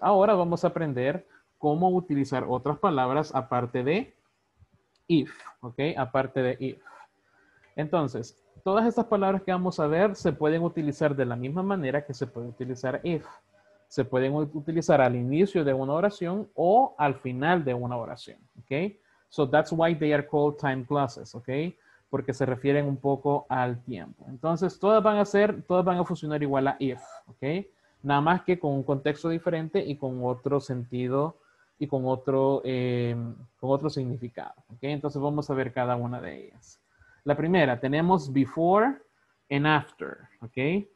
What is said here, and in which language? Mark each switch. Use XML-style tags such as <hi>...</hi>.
<es>Ahora vamos a aprender cómo utilizar otras palabras aparte de if, ¿ok? Aparte de if. Entonces, todas estas palabras que vamos a ver se pueden utilizar de la misma manera que se puede utilizar if. Se pueden utilizar al inicio de una oración o al final de una oración, ¿ok?</es> <en>So that's why they are called time clauses, ¿ok?</en> <es>Porque se refieren un poco al tiempo. Entonces, todas van a funcionar igual a if, ¿ok? Nada más que con un contexto diferente y con otro sentido y con otro significado, ¿ok? Entonces, vamos a ver cada una de ellas. La primera, tenemos before and after, ¿ok?</es>